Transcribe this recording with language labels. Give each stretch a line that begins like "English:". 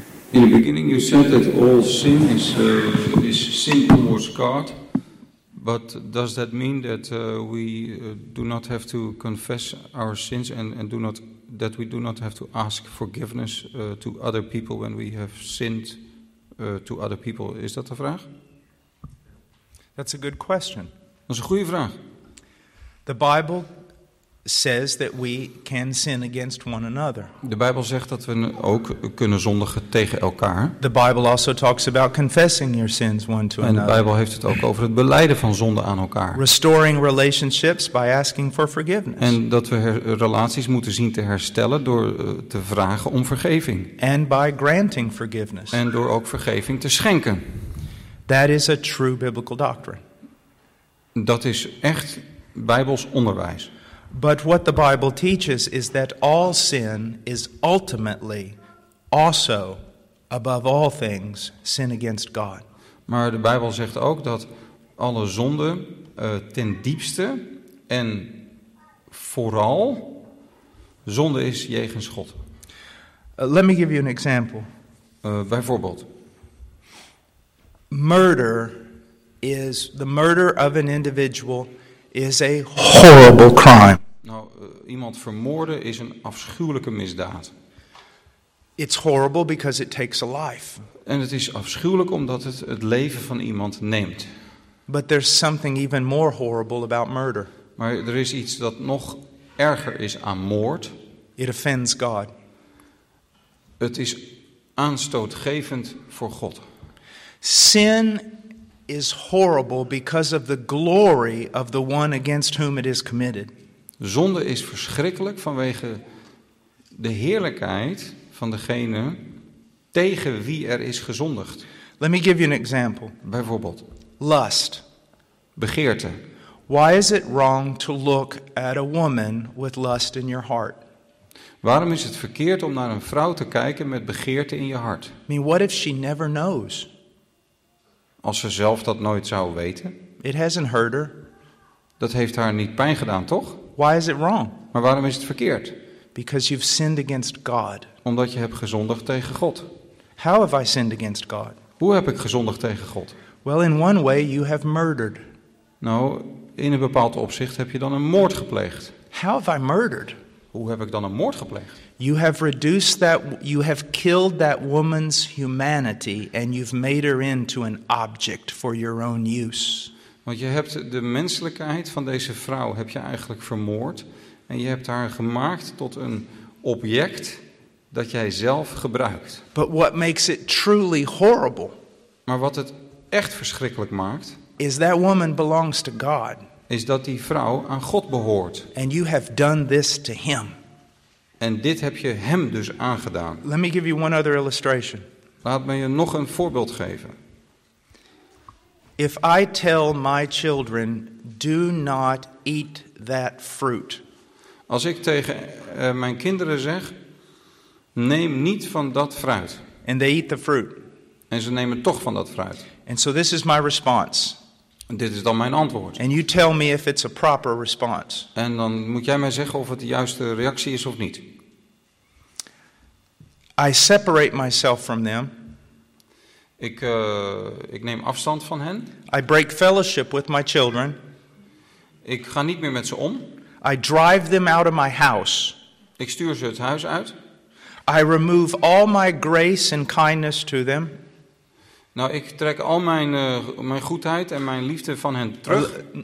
English: In the beginning you said that all sin is sin towards God, but does that mean that we do not have to confess our sins and do not have to ask forgiveness to other people when we have sinned to other people? Is that the vraag? That's a good question.
Dutch: Dat is een goede vraag.
English: The Bible says that we can sin against one another.
Dutch: De Bijbel zegt dat we ook kunnen zondigen tegen elkaar.
English: The Bible also talks about confessing your sins one to another.
Dutch: En de Bijbel heeft het ook over het belijden van zonden aan elkaar.
English: Restoring relationships by asking for forgiveness.
Dutch: En dat we relaties moeten zien te herstellen door te vragen om vergeving.
English: And by granting forgiveness.
Dutch: En door ook vergeving te schenken.
English: That is a true biblical doctrine.
Dutch: Dat is echt Bijbels onderwijs.
English: But what the Bible teaches is that all sin is ultimately also above all things sin against God.
Dutch: Maar de Bijbel zegt ook dat alle zonde ten diepste en vooral zonde is jegens God.
English: Let me give you an example.
Dutch: Bijvoorbeeld.
English: Murder is the murder of an individual is a horrible crime.
Dutch: Nou, iemand vermoorden is een afschuwelijke misdaad.
English: It's horrible because it takes a life.
Dutch: En het is afschuwelijk omdat het het leven van iemand neemt.
English: But there's something even more horrible about murder.
Dutch: Maar er is iets dat nog erger is aan moord.
English: It offends God.
Dutch: Het is aanstootgevend voor God.
English: Sin is horrible because of the glory of the one against whom it is committed.
Dutch: Zonde is verschrikkelijk vanwege de heerlijkheid van degene tegen wie er is gezondigd.
English: Let me give you an example.
Dutch: Bijvoorbeeld.
English: Lust.
Dutch: Begeerte.
English: Why is it wrong to look at a woman with lust in your heart?
Dutch: Waarom is het verkeerd om naar een vrouw te kijken met begeerte in je hart?
English: I mean, what if she never knows?
Dutch: Als ze zelf dat nooit zou weten.
English: It hasn't hurt her.
Dutch: Dat heeft haar niet pijn gedaan, toch?
English: Why is it wrong?
Dutch: Maar waarom is het verkeerd?
English: Because you've sinned against God.
Dutch: Omdat je hebt gezondigd tegen God.
English: How have I sinned against God?
Dutch: Hoe heb ik gezondigd tegen God?
English: Well, in one way you have murdered.
Dutch: Nou, in een bepaald opzicht heb je dan een moord gepleegd.
English: How have I murdered?
Dutch: Hoe heb ik dan een moord gepleegd?
English: You have reduced that, you have killed that woman's humanity and you've made her into an object for your own use.
Dutch: Want je hebt de menselijkheid van deze vrouw heb je eigenlijk vermoord. En je hebt haar gemaakt tot een object dat jij zelf gebruikt.
English: But what makes it truly horrible,
Dutch: maar wat het echt verschrikkelijk maakt,
English: is, that woman belongs to God.
Dutch: Is dat die vrouw aan God behoort.
English: And you have done this to him.
Dutch: En dit heb je hem dus aangedaan.
English: Let me give you one other illustration.
Dutch: Laat me je nog een voorbeeld geven.
English: If I tell my children, do not eat that fruit.
Dutch: Als ik tegen mijn kinderen zeg, neem niet van dat fruit.
English: And they eat the fruit.
Dutch: En ze nemen toch van dat fruit.
English: And so this is my response.
Dutch: En dit is dan mijn antwoord.
English: And you tell me if it's a proper response.
Dutch: En dan moet jij mij zeggen of het de juiste reactie is of niet.
English: I separate myself from them.
Dutch: Ik neem afstand van hen.
English: I break fellowship with my children.
Dutch: Ik ga niet meer met ze om.
English: I drive them out of my house.
Dutch: Ik stuur ze het huis uit.
English: I remove all my grace and kindness to them.
Dutch: Nou, ik trek al mijn goedheid en mijn liefde van hen terug.